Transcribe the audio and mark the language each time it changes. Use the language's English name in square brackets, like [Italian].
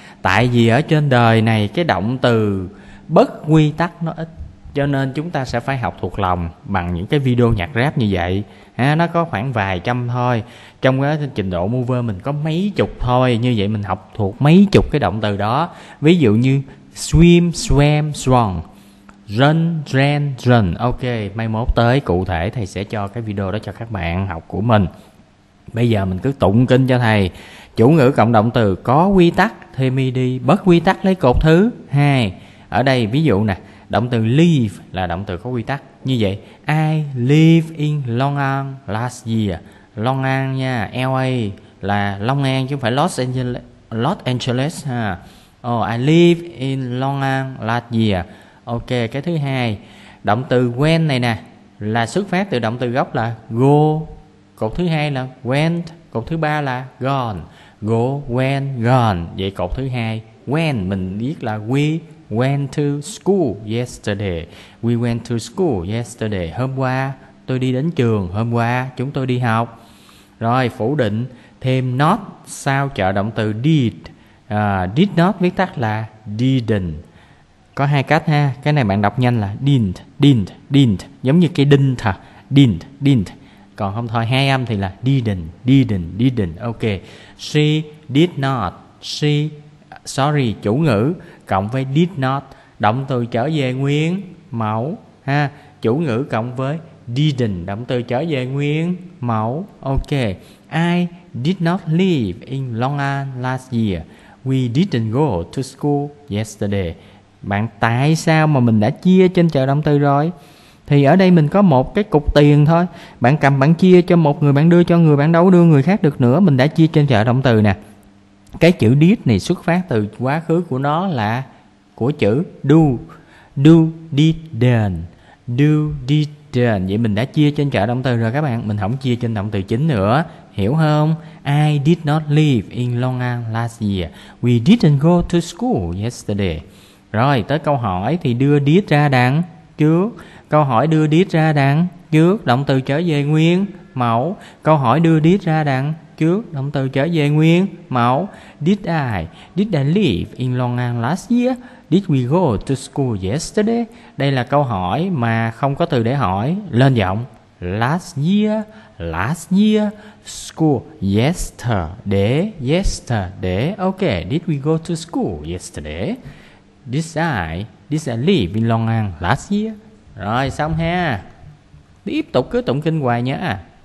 [Vietnamese] Tại vì ở trên đời này cái động từ bất quy tắc nó ít, cho nên chúng ta sẽ phải học thuộc lòng bằng những cái video nhạc rap như vậy. Nó có khoảng vài trăm thôi, trong cái trình độ mover mình có mấy chục thôi. Như vậy mình học thuộc mấy chục cái động từ đó. Ví dụ như [English] swim, swam, swung, run, ran, run. [Vietnamese] Ok, mai mốt tới cụ thể thầy sẽ cho cái video đó cho các bạn học của mình. Bây giờ mình cứ tụng kinh cho thầy. Chủ ngữ cộng động từ có quy tắc thêm ed, bất quy tắc lấy cột thứ hai. Ở đây ví dụ nè, động từ live là động từ có quy tắc. Như vậy, [English] I live in Long An last year. [Vietnamese] Long An nha, LA là Long An chứ không phải Los Angeles ha. [English] Oh, I live in Long An last year. [Vietnamese] Ok, cái thứ hai, động từ when này nè, là xuất phát từ động từ gốc là go. Cột thứ hai là went. Cột thứ ba là gone. [English] Go, when, gone. [Vietnamese] Vậy cột thứ hai, when, mình biết là [English] we went to school yesterday. We went to school yesterday. [Vietnamese] Hôm qua tôi đi đến trường, hôm qua chúng tôi đi học. Rồi phủ định thêm not sau trợ động từ did. Did not viết tắt là didn't. Có hai cách ha. Cái này bạn đọc nhanh là didn't, giống như cái đinh thật. Didn't. Còn không thôi hai âm thì là didn't. Ok. [English] She did not. Sorry, [Vietnamese] chủ ngữ cộng với did not, động từ trở về nguyên mẫu ha. Chủ ngữ cộng với didn't, động từ trở về nguyên mẫu. Ok. [English] I did not live in Long An last year. We didn't go to school yesterday. [Vietnamese] Bạn, tại sao mà mình đã chia trên trợ động từ rồi? Thì ở đây mình có một cái cục tiền thôi. Bạn cầm bạn chia cho một người, bạn đưa cho người, bạn đâu đưa người khác được nữa. Mình đã chia trên trợ động từ nè. Cái chữ did này xuất phát từ quá khứ của nó là của chữ do. [English] Do, didn't. Do, didn't. [Vietnamese] Vậy mình đã chia trên trợ động từ rồi các bạn. Mình không chia trên động từ chính nữa. Hiểu không? [English] I did not live in Long An last year. We didn't go to school yesterday. [Vietnamese] Rồi, tới câu hỏi thì đưa did ra đằng trước. Câu hỏi đưa did ra đằng trước, động từ trở về nguyên mẫu. Câu hỏi đưa did ra đằng trước, động từ trở về nguyên mẫu. [English] Did I live in Long An last year? Did we go to school yesterday? [Vietnamese] Đây là câu hỏi mà không có từ để hỏi, lên giọng. [English] Last year school yesterday. Yesterday. Ok, did we go to school yesterday? Did I live in Long An last year? [Vietnamese] Rồi xong ha. Tiếp tục cứ tụng kinh hoài nhé.